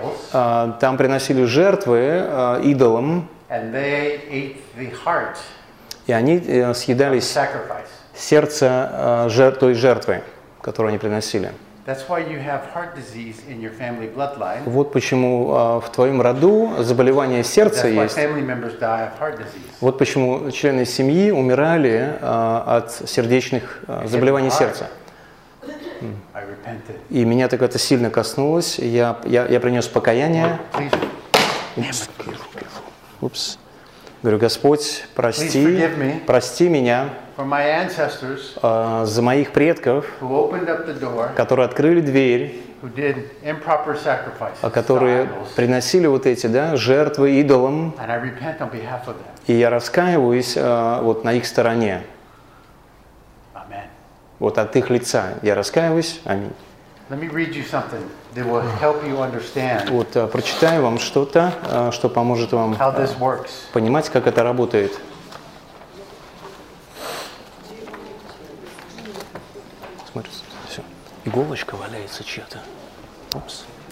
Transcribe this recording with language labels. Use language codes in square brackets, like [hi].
[ru] Там приносили жертвы идолам. И они съедали сердце той жертвы, которую они приносили. [en] That's why you have heart disease in your family bloodline. [ru] Вот почему в твоем роду заболевание сердца есть. [en] That's why family members die of heart disease. [ru] Вот почему члены семьи умирали от сердечных заболеваний сердца. [en] I repented. [ru] И меня так это сильно коснулось. Я принес покаяние. Упс. Говорю, Господь, прости. [en] Please forgive me. [ru] Прости меня. [en] For my ancestors, [ru] за моих предков, [en] who opened up the door, [ru] которые открыли дверь, [en] who did improper sacrifices, [ru] которые приносили вот эти, да, жертвы идолам, [en] and I repent on behalf of them. [ru] И я раскаиваюсь вот на их стороне. [en] Amen. [ru] Вот от их лица я раскаиваюсь. Аминь. [en] Let me read you something that will help you understand. [ru] Вот прочитаю вам что-то, что поможет вам понимать, как это работает. Все. Иголочка валяется чья-то. Упс.